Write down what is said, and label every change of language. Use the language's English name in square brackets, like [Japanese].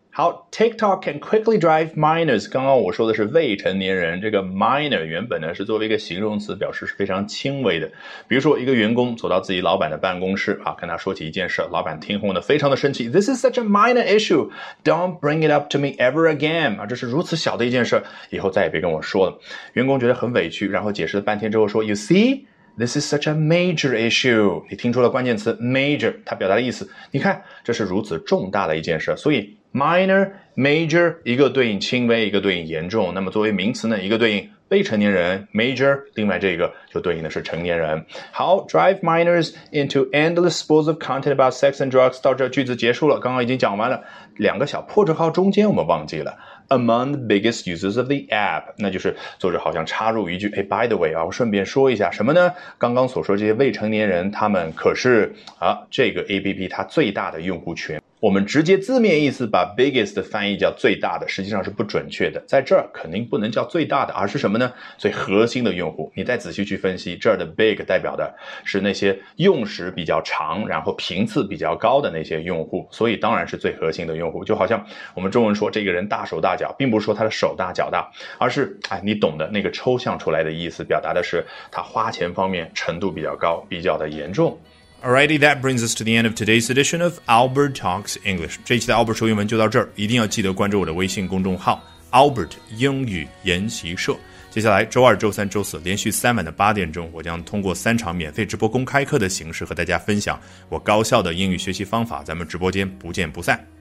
[Chinese] 好 , [English] TikTok can quickly drive minors, [Chinese] 刚刚我说的是未成年人，这个 minor 原本呢是作为一个形容词表示是非常轻微的。比如说一个员工走到自己老板的办公室啊，跟他说起一件事，老板听后呢非常的生气 , [English] This is such a minor issue, don't bring it up to me ever again, [Chinese] 啊，这是如此小的一件事，以后再也别跟我说了。员工觉得很委屈，然后解释了半天之后说 , [English] You see? This is such a major issue. [Chinese] 你听出了关键词 major, 它表达的意思。你看，这是如此重大的一件事。所以 minor, major, 一个对应轻微，一个对应严重。那么作为名词呢，一个对应未成年人 major, 另外这个就对应的是成年人。好 , [English] drive minors into endless spools of content about sex and drugs, [Chinese] 到这句子结束了，刚刚已经讲完了。两个小破折号中间我们忘记了。 [English] Among the biggest users of the app, [Chinese] 那就是作者好像插入一句，哎 , [English] by the way, [Chinese] 啊，我顺便说一下什么呢，刚刚所说这些未成年人他们可是啊这个 app 它最大的用户群。我们直接字面意思把 biggest 翻译叫最大的，实际上是不准确的，在这儿肯定不能叫最大的，而是什么呢，最核心的用户。你再仔细去分析，这儿的 big 代表的是那些用时比较长然后频次比较高的那些用户，所以当然是最核心的用户。就好像我们中文说这个人大手大脚，并不是说他的手大脚大，而是哎，你懂的那个抽象出来的意思，表达的是他花钱方面程度比较高，比较的严重。 [English] Alrighty, that brings us to the end of today's edition of Albert Talks English. [Chinese] 这一期的 Albert 说英文就到这儿，一定要记得关注我的微信公众号 Albert 英语研习社。接下来周二、周三、周四连续三晚的八点钟，我将通过三场免费直播公开课的形式和大家分享我高效的英语学习方法，咱们直播间不见不散。